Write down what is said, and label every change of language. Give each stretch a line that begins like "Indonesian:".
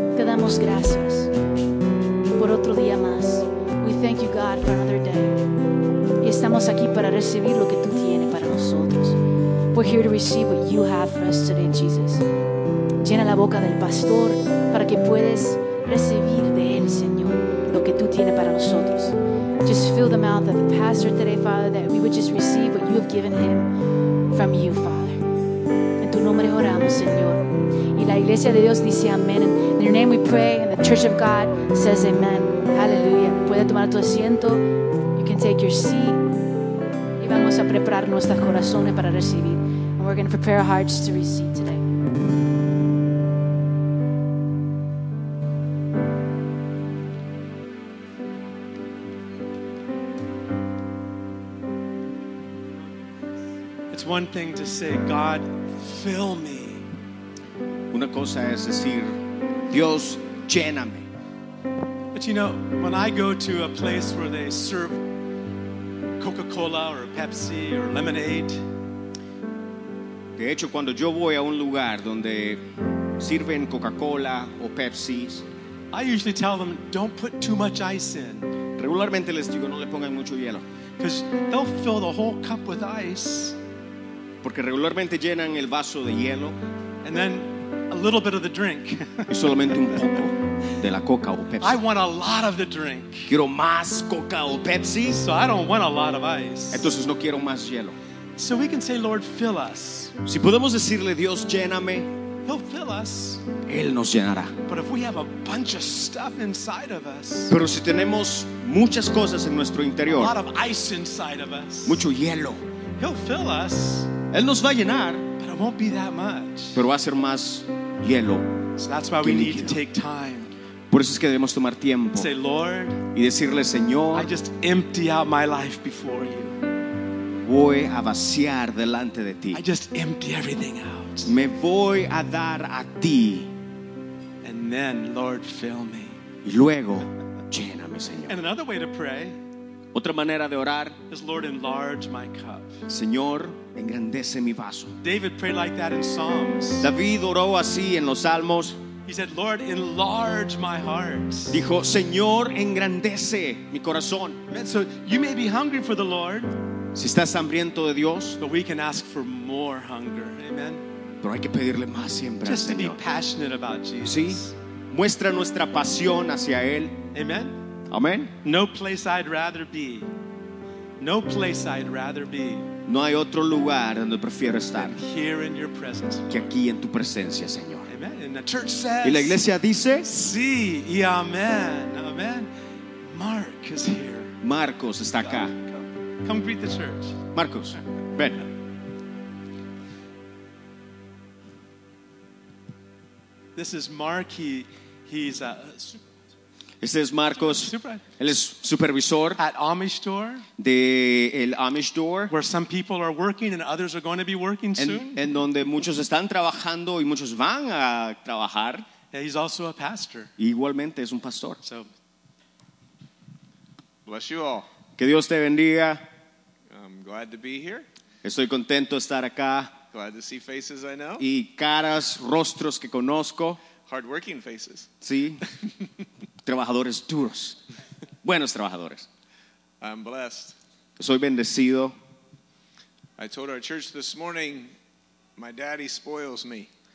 Spanish: damos gracias por otro día más.
English: We thank you, God, for another day.
Spanish: Y estamos aquí para recibir lo que tú tienes para nosotros.
English: We're here to receive what you have for us today, Jesus.
Spanish: Llena la boca del pastor para que puedas recibir de él, Señor, lo que tú tienes para nosotros.
English: Just fill the mouth of the pastor today, Father, that we would just receive what you have given him from you, Father.
Spanish: En tu nombre oramos, Señor. Y la iglesia de Dios dice amén.
English: In your name we pray, and the church of God says amen. Hallelujah.
Spanish: Puede tomar tu asiento.
English: You can take your seat.
Spanish: Y vamos a preparar nuestros corazones para recibir.
English: And we're going to prepare our hearts to receive today. One thing to say, God, fill me.
Spanish: Una cosa es decir, Dios, lléname.
English: But you know, when I go to a place where they serve Coca-Cola or Pepsi or lemonade.
Spanish: De hecho, cuando yo voy a un lugar donde sirven Coca-Cola o Pepsi,
English: I usually tell them, don't put too much ice in.
Spanish: Regularmente les digo, no le pongan mucho hielo.
English: Because they'll fill the whole cup with ice.
Spanish: Porque regularmente llenan el vaso de hielo.
English: And then a little bit of the drink.
Spanish: Y solamente un poco de la Coca o Pepsi.
English: I want a lot of the drink.
Spanish: Quiero más Coca o Pepsi.
English: So I don't want a lot of ice.
Spanish: Entonces no quiero más hielo.
English: So we can say, Lord, fill us.
Spanish: Si podemos decirle, Dios, lléname.
English: He'll fill us.
Spanish: Él nos llenará.
English: But if we have a bunch of stuff inside of us.
Spanish: Pero si tenemos muchas cosas en nuestro interior.
English: A lot of ice inside of us.
Spanish: Mucho hielo.
English: He'll fill us.
Spanish: Él nos va a llenar,
English: but it won't be that much.
Spanish: Pero va a ser más hielo.
English: So that's why we need to take time.
Spanish: Por eso es que debemos tomar tiempo.
English: Say, Lord,
Spanish: y decirle, Señor,
English: I just empty out my life before you.
Spanish: Voy a vaciar delante de ti.
English: I just empty everything out.
Spanish: Me voy a dar a ti.
English: And then, Lord, fill me.
Spanish: Y luego, lléname, Señor.
English: And another way to pray.
Spanish: Otra manera de orar.
English: Is, Lord, enlarge my cup.
Spanish: Señor, engrandece mi vaso.
English: David prayed like that in Psalms.
Spanish: David oró así en los Salmos.
English: He said, Lord, enlarge my heart.
Spanish: Dijo, Señor, engrandece mi corazón.
English: So you may be hungry for the Lord.
Spanish: Si estás hambriento de Dios.
English: But we can ask for more hunger. Amen.
Spanish: Pero hay que pedirle más siempre al
English: Just to be passionate about Jesus.
Spanish: Sí. Muestra nuestra pasión hacia Él. Amen. Amen.
English: No place I'd rather be. No place I'd rather be.
Spanish: No hay otro lugar donde prefiero estar.
English: Here in your presence.
Spanish: Que aquí en tu presencia, Señor.
English: Amen. And the church says.
Spanish: Y la iglesia dice. Sí. Y amén.
English: Amen. Mark is here.
Spanish: Marcos está acá.
English: Come greet the church.
Spanish: Marcos, ven.
English: This is Mark. He's a super.
Spanish: Este es Marcos. Él es supervisor
English: at Amish Door.
Spanish: De el Amish Door.
English: Where some people are working and others are going to be working soon.
Spanish: En donde muchos están trabajando y muchos van a trabajar.
English: Yeah, he's also a pastor.
Spanish: Igualmente es un pastor.
English: So, bless you all.
Spanish: Que Dios te bendiga.
English: I'm glad to be here.
Spanish: Estoy contento de estar acá.
English: Glad to see faces I know.
Spanish: Y caras, rostros que conozco.
English: Hardworking faces.
Spanish: Sí. Trabajadores duros, buenos trabajadores.
English: I'm blessed.
Spanish: Soy bendecido.
English: I told our church this morning, my daddy spoils me.